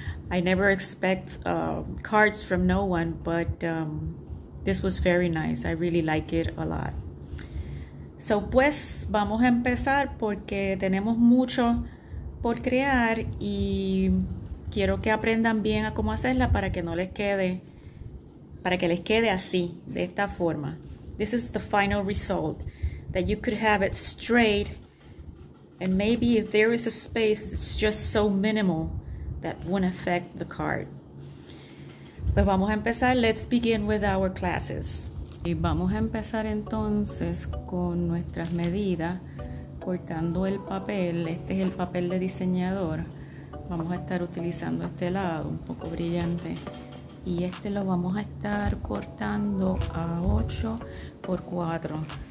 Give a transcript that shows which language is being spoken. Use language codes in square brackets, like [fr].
[en] I never expect cards from no one, but this was very nice. I really like it a lot. [es] So, pues, vamos a empezar porque tenemos mucho por crear y quiero que aprendan bien a cómo hacerla para que no les quede, para que les quede así, de esta forma. [en] This is the final result, that you could have it straight, and maybe if there is a space, it's just so minimal that won't affect the card. [es] Pues vamos a empezar. [en] Let's begin with our classes. [es] Y vamos a empezar entonces con nuestras medidas, cortando el papel. Este es el papel de diseñador. Vamos a estar utilizando este lado, un poco brillante. Y este lo vamos a estar cortando a 8x4.